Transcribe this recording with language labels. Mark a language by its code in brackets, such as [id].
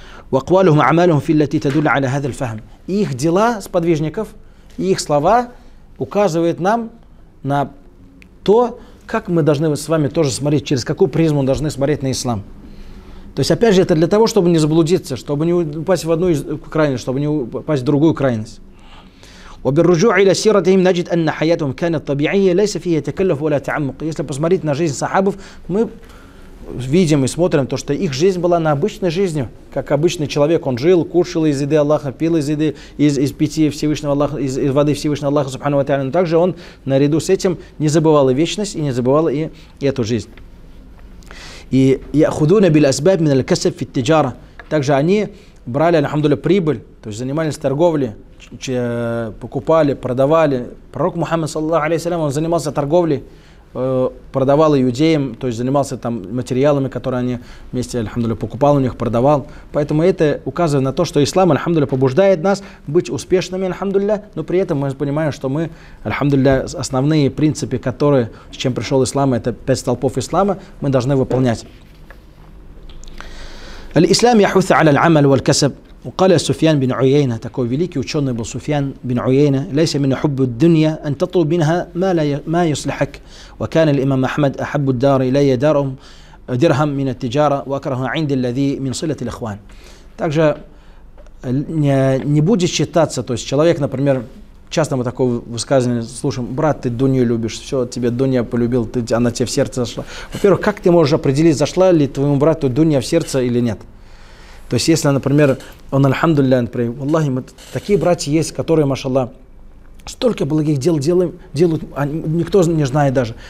[ar] Вакуалюхум амалюхум филлати тадулля аля хазаль фахм. [ru] Их дела, сподвижников, и их слова указывают нам на то, как мы должны с вами тоже смотреть, через какую призму должны смотреть на ислам. То есть, опять же, это для того, чтобы не заблудиться, чтобы не упасть в одну крайность, чтобы не упасть в другую крайность. [ar] وبالرجوع الى سيرتهم نجد ان حياتهم كانت طبيعيه ليس فيها تكلف ولا تعمق. [ru] Если посмотреть на жизнь сахабов, мы видим и смотрим то, что их жизнь была на обычной жизнью, как обычный человек. Он жил, кушал из еды Аллаха, пил из еды из пяти Всевышнего Аллаха, из воды Всевышнего Аллаха субхана ва тааля. Но также он наряду с этим не забывал и вечность, и не забывал и эту жизнь. [ar] И ياخذون بالاسباب من الكسب في التجاره. [ru] Также они брали, альхамдулиллях, прибыль, то есть занимались торговлей, покупали, продавали. Пророк Мухаммад саллаллаху алейхи ва саллям, он занимался торговлей, продавал иудеям, то есть занимался там материалами, которые они вместе, альхамдулиллях, покупал у них, продавал. Поэтому это указывает на то, что ислам, альхамдулиллях, побуждает нас быть успешными, альхамдулиллях, но при этом мы понимаем, что мы, альхамдулиллях, основные принципы, которые, с чем пришел ислам, это 5 столпов ислама, мы должны выполнять. [ar] الإسلام يحث على العمل والكسب وقال سفيان بن عيينة [ru] такой великий ученый был [ar] سفيان بن عيينة ليس من حب الدنيا أن تطلب منها ما يصلحك وكان الإمام أحمد أحب الدار إلي درهم من التجارة وأكره عند الذي من صلة الإخوان. [ru] Также не будет считаться, то есть человек, например, часто мы такое высказывание слушаем: брат, ты дунью любишь, все, тебе дунья полюбил, ты, она тебе в сердце зашла. Во-первых, как ты можешь определить, зашла ли твоему брату дунья в сердце или нет? То есть, если, например, он, альхамдулиллях, например, валлахи, мы такие братья есть, которые, машалла, столько благих дел делают, никто не знает даже.